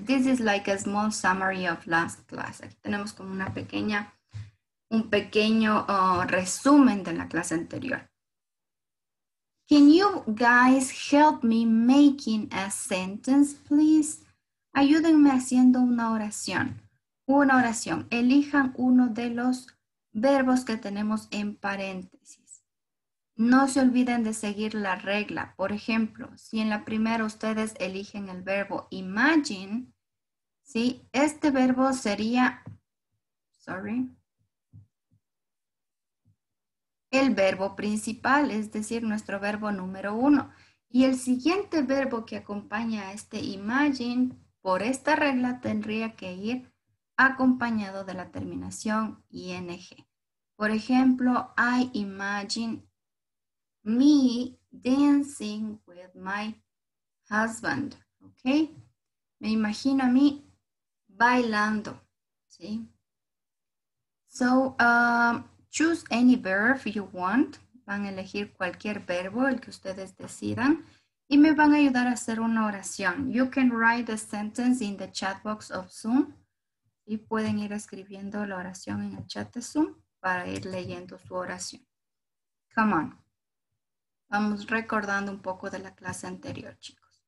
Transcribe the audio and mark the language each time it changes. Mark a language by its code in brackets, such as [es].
[en] This is like a small summary of last class. [es] Aquí tenemos como una pequeña, un pequeño resumen de la clase anterior. [en] Can you guys help me making a sentence, please? [es] Ayúdenme haciendo una oración. Una oración. Elijan uno de los verbos que tenemos en paréntesis. No se olviden de seguir la regla. Por ejemplo, si en la primera ustedes eligen el verbo imagine, ¿sí? Este verbo sería, sorry, el verbo principal, es decir, nuestro verbo número uno. Y el siguiente verbo que acompaña a este imagine, por esta regla, tendría que ir acompañado de la terminación ing. Por ejemplo, [en] I imagine me dancing with my husband. ¿Ok? [es] Me imagino a mí bailando. ¿Sí? [en] So, choose any verb you want. [es] Van a elegir cualquier verbo, el que ustedes decidan. Y me van a ayudar a hacer una oración. [en] You can write a sentence in the chat box of Zoom. [es] Y pueden ir escribiendo la oración en el chat de Zoom para ir leyendo su oración. [en] Come on. [es] Vamos recordando un poco de la clase anterior, chicos.